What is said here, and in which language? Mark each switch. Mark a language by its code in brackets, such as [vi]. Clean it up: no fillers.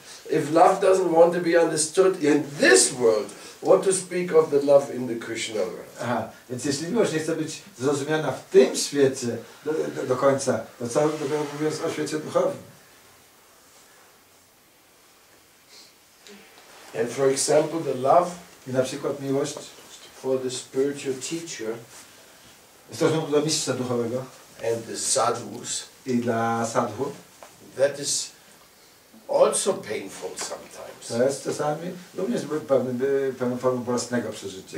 [en] If love doesn't want to be understood in this world, what to speak of the love in the Krishna world? [pl] Aha, więc jeśli miłość nie chce być zrozumiana w tym świecie do końca, to co dopiero mówiąc o świecie duchowym? [en] And for example, the love. [pl] I na przykład miłość. [en] For the spiritual teacher, [pl] w stosunku do mistrza duchowego, [en] and the sadhus, [pl] i dla sadhu, [en] that is also painful sometimes. [pl] To jest czasami również pewną formą bolesnego przeżycia.